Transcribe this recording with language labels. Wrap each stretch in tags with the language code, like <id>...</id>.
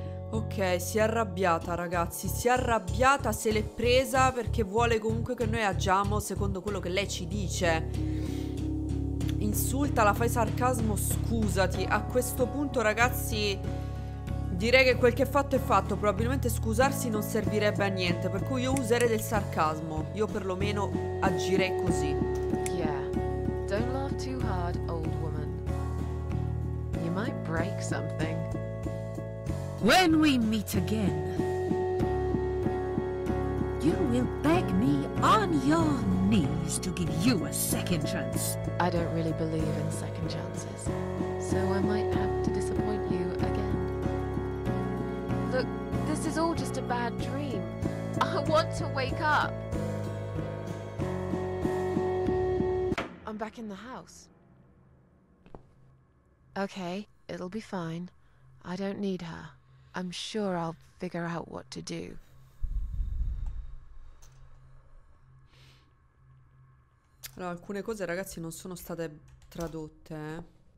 <it>Ok, si è arrabbiata, ragazzi. Si è arrabbiata, se l'è presa, perché vuole comunque che noi agiamo secondo quello che lei ci dice. Insulta, la fai sarcasmo, scusati. A questo punto, ragazzi, direi che quel che è fatto, probabilmente scusarsi non servirebbe a niente, per cui io userei del sarcasmo. Io perlomeno agirei così.</it> <en>Yeah. Don't laugh too hard, old woman. You might break something. When we meet again, you will beg me on your knees to give you a second chance. I don't really believe in second chances, so I might have to disappoint you again. Look, this is all just a bad dream. I want to wake up. I'm back in the house. Okay, it'll be fine. I don't need her. I'm sure I'll figure out what to do.</en> <it>Allora, alcune cose, ragazzi, non sono state tradotte.</it>